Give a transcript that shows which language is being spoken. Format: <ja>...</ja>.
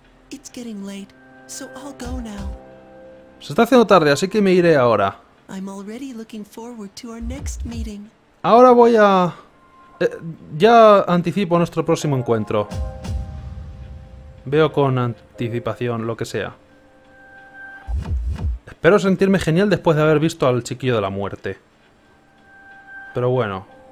<en>It's getting late, so I'll go now.</en> <es>Se está haciendo tarde, así que me iré ahora.</es> <en>I'm already looking forward to our next meeting.</en> <es>Ahora voy a... ya anticipo nuestro próximo encuentro. Veo con anticipación lo que sea. Espero sentirme genial después de haber visto al chiquillo de la muerte. Pero bueno.</es>